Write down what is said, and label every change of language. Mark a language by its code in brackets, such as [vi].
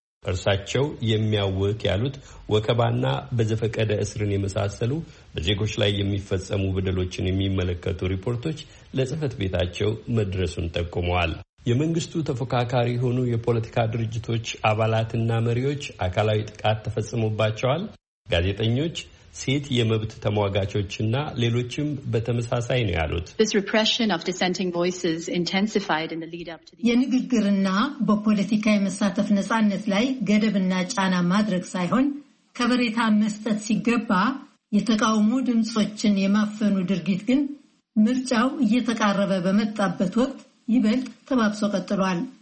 [am] እርሳቸው የሚያወቅ ያሉት ወከባና በዘፈቀደ እስርን የመሳሰሉ በዜጎች ላይ የሚፈጸሙ በደሎችን የሚመለከቱ ሪፖርቶች ለጽህፈት ቤታቸው መድረሱን ጠቁመዋል። የመንግስቱ ተፎካካሪ የሆኑ የፖለቲካ ድርጅቶች አባላትና መሪዎች አካላዊ ጥቃት ተፈጽሞባቸዋል። ጋዜጠኞች፣ ሴት የመብት ተሟጋቾችና ሌሎችም በተመሳሳይ ነው ያሉት። [en] This repression of dissenting voices intensified in the lead up to the [am] የንግግርና በፖለቲካ የመሳተፍ ነጻነት ላይ ገደብና ጫና ማድረግ ሳይሆን ከበሬታ መስጠት ሲገባ የተቃውሞ ድምጾችን የማፈኑ ድርጊት ግን ምርጫው እየተቃረበ በመጣበት ወቅት ይበልጥ ተባብሶ ቀጥሏል።